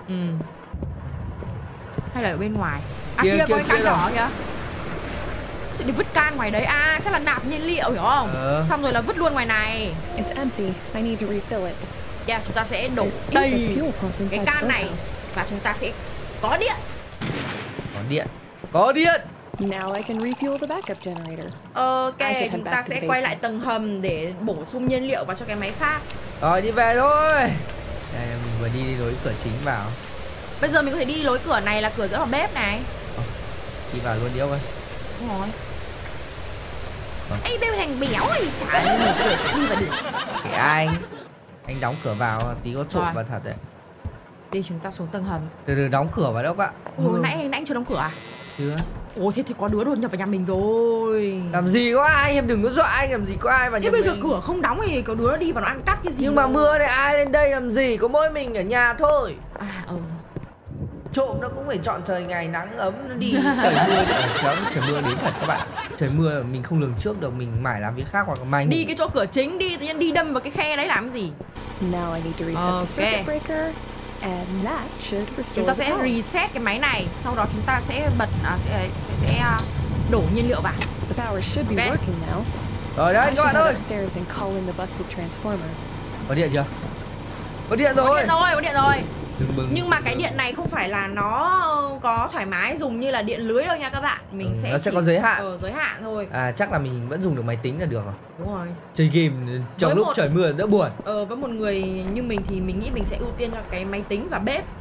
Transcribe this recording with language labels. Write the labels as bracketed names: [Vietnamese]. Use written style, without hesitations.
[Vietnamese] Ừ. Hay là ở bên ngoài. Kia, à kia, kia có cái can nhỏ kìa. Sẽ đi vứt can ngoài đấy. À chắc là nạp nhiên liệu hiểu không? Xong rồi là vứt luôn ngoài này. [English] It's empty. I need to refill it. [Vietnamese] Yeah, chúng ta sẽ đổ đầy cái can này house. Và chúng ta sẽ có điện. Có điện. Có điện. [English] Now I can refuel the backup generator. [Vietnamese] Ok, chúng ta sẽ quay lại tầng hầm để bổ sung nhiên liệu vào cho cái máy phát. Rồi đi về thôi. Đây, mình vừa đi lối cửa chính vào. Bây giờ mình có thể đi lối cửa này là cửa dẫn vào bếp này. Đi vào luôn đi ông ơi. Đúng rồi. Ê bêu thằng béo ơi, chả đi mở cửa chả đi vào được. Thì anh đóng cửa vào tí có trộm vào thật đấy. Đi chúng ta xuống tầng hầm. Từ từ đóng cửa vào đâu ạ. Ủa nãy anh chưa đóng cửa à? Chưa. Ôi thế thì có đứa đột nhập vào nhà mình rồi. Làm gì có ai, em đừng có dọa anh, làm gì có ai vào nhà mình. Thế bây giờ cửa không đóng thì có đứa nó đi vào nó ăn cắp cái gì. Nhưng mà mưa này ai lên đây làm gì, có mỗi mình ở nhà thôi. À ừ. Trộm nó cũng phải chọn trời ngày nắng ấm nó đi. Trời mưa đến, trời mưa đến thật các bạn. Trời mưa mình không lường trước được, mình mải làm việc khác hoặc là mày. Đi cái chỗ cửa chính đi, tự nhiên đi đâm vào cái khe đấy làm cái gì. [English] Now I need to reset the circuit breaker. And that should restore. [Vietnamese] Chúng ta sẽ reset cái máy này, sau đó chúng ta sẽ bật sẽ đổ nhiên liệu vào. [English] The power should be working [Vietnamese] now. Rồi đấy, các bạn ơi. [English] Upstairs and call in the busted transformer. [Vietnamese] Có điện chưa? Có điện rồi. Có điện rồi. Nhưng mà cái điện này không phải là nó có thoải mái dùng như là điện lưới đâu nha các bạn. Mình sẽ nó sẽ có giới hạn. Ừ, giới hạn thôi. À chắc là mình vẫn dùng được máy tính là được rồi. Đúng rồi. Chơi game trong lúc trời mưa đỡ buồn. Với một người như mình thì mình nghĩ mình sẽ ưu tiên cho cái máy tính và bếp.